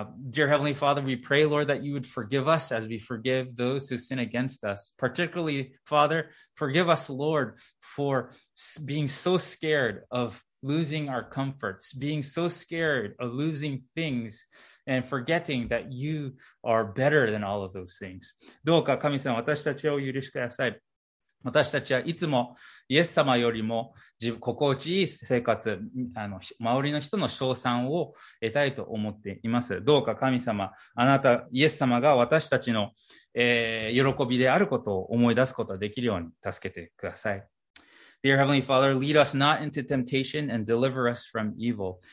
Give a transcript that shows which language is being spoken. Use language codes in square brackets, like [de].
[en] Dear Heavenly Father, we pray, Lord, that you would forgive us as we forgive those who sin against us. Particularly, Father, forgive us, Lord, for being so scared of losing our comforts, being so scared of losing things and forgetting that you are better than all of those things. [ja] どうか神様、私たちを許してください。私たちはいつもイエス様よりも自分心地いい生活、周りの人の称賛を得たいと思っています。どうか神様、あなた、イエス様が私たちの、喜びであることを思い出すことができるように助けてください。 [en] Dear Heavenly Father, lead us not into temptation and deliver us from evil.